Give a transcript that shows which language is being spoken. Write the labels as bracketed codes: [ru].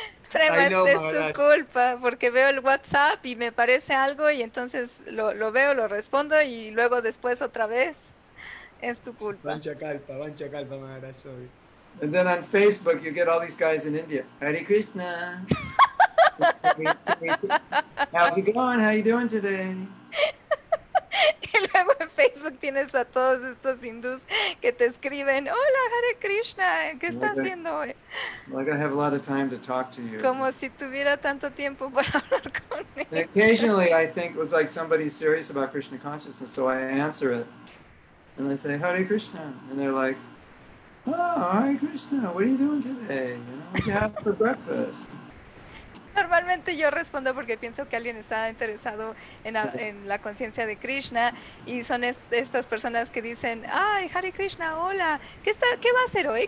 [es] Prema, es tu culpa, porque veo el WhatsApp y me parece algo y entonces lo veo, lo respondo y luego después otra vez. Es tu culpa. Mancha calpa, Mara, sorry. [en] And then on Facebook, you get all these guys in India. Hare Krishna. How are you going? How are you doing today? [es] Y luego en Facebook tienes a todos estos hindús que te escriben, hola, Hare Krishna, ¿qué estás haciendo hoy? [en] Like I have a lot of time to talk to you. [es] Como si tuviera tanto tiempo para hablar conmigo. [en] And occasionally, I think it was like somebody's serious about Krishna consciousness, so I answer it. And I say, Hare Krishna. And they're like, oh, Hare Krishna, what are you doing today? You know, what did you have for breakfast? [es] Normalmente yo respondo porque pienso que alguien está interesado en la conciencia de Krishna y son estas personas que dicen, ay, Hare Krishna, hola, ¿qué va a hacer hoy?